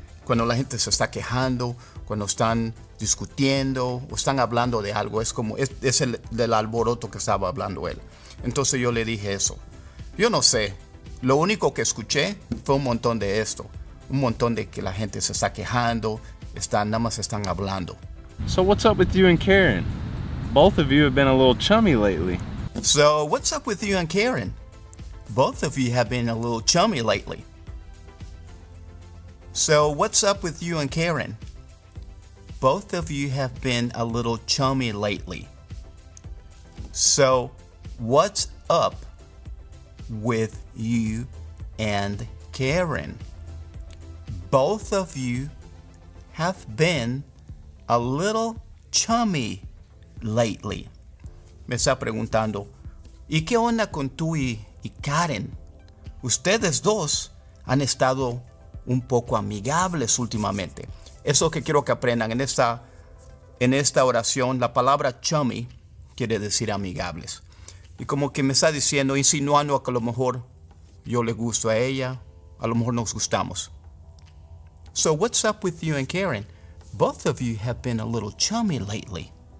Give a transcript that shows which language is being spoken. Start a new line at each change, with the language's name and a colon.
Spanish: Cuando la gente se está quejando, cuando están discutiendo o están hablando de algo, es como, es el del alboroto que estaba hablando él. Entonces yo le dije eso. Yo no sé. Lo único que escuché fue un montón de esto. Un montón de que la gente se está quejando, están, nada más están hablando.
English: So what's up with you and Karen? Both of you have been a little chummy lately. So what's up with you and Karen? Both of you have been a little chummy lately. So what's up with you and Karen? Both of you have been a little chummy lately. So what's up with you and Karen? Both of you have been a little chummy lately.
Spanish: Me está preguntando, ¿y qué onda con tú y Karen? Ustedes dos han estado un poco amigables últimamente. Eso que quiero que aprendan en esta oración, la palabra chummy quiere decir amigables. Y como que me está diciendo, insinuando que a lo mejor yo le gusto a ella, a lo mejor nos gustamos.
English: So what's up with you and Karen? Both of you have been a little chummy lately.